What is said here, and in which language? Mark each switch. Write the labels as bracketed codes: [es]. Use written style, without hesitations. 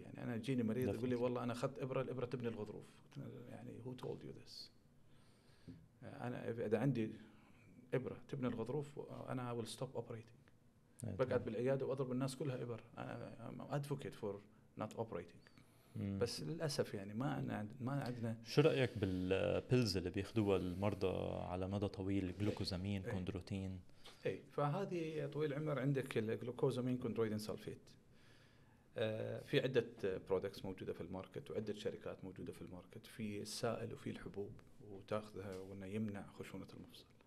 [ar] يعني أنا جيني مريض يقول لي والله أنا أخذت إبرة، الإبرة تبني الغضروف. يعني [en] who told you this؟ [ar] أنا إذا عندي إبرة تبني الغضروف أنا [en] I will stop operating. [ar] بقعد بالعيادة وأضرب الناس كلها إبر. [en] I'm advocate for not operating. [ar] بس للأسف يعني ما عندنا. شو رأيك بالبيلز اللي بياخذوها المرضى على مدى طويل؟ جلوكوزامين، كوندروتين. اي فهذه طويل العمر عندك الجلوكوزامين كوندرويدين سلفيت. في عدة برودكتس موجودة في الماركت وعدة شركات موجودة في الماركت، في السائل وفي الحبوب، وتاخذها وانه يمنع خشونة المفصل.